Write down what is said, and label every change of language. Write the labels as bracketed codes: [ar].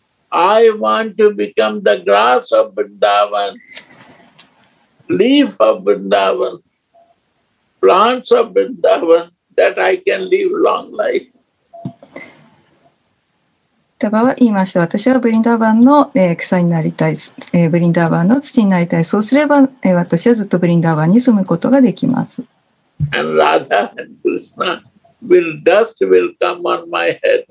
[en] I want to become the grass of Vrindavan, leaf of Vrindavan, plants of Vrindavan, that I can live long life. [ja] Taba は言いました。私はブリンダーバンの草になりたい、ブリンダーバンの土になりたい。そうすれば、私はずっとブリンダーバンに住むことができます。 [en] And Radha and Krishna, will dust will come on my head.